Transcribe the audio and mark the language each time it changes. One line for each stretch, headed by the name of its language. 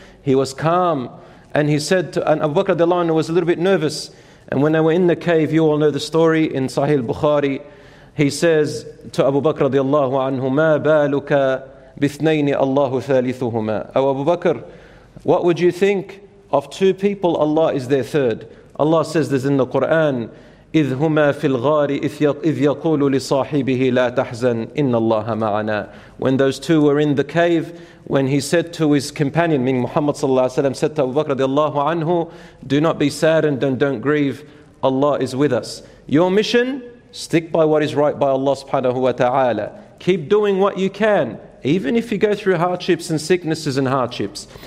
English: He was calm and he said to, and Abu Bakr radiallahu anhu was a little bit nervous. And when they were in the cave, you all know the story in Sahih Bukhari, he says to Abu Bakr radiallahu anhu,
Arabic: ما بالك بثنين الله ثالثهما.
English: Oh Abu Bakr, what would you think of two people? Allah is their third. Allah says this in the Quran,
Arabic: إِذْ هُمَا فِي الْغَارِ إِذْ يَقُولُ لِصَاحِبِهِ لَا تَحْزَنْ إِنَّ اللَّهَ مَعَنَا.
English: When those two were in the cave, when he said to his companion, meaning Muhammad sallallahu alayhi wa sallam, said to Abu Bakr radiallahu anhu, do not be saddened and don't grieve, Allah is with us. Your mission, stick by what is right by Allah subhanahu wa ta'ala. Keep doing what you can, even if you go through hardships and sicknesses and hardships.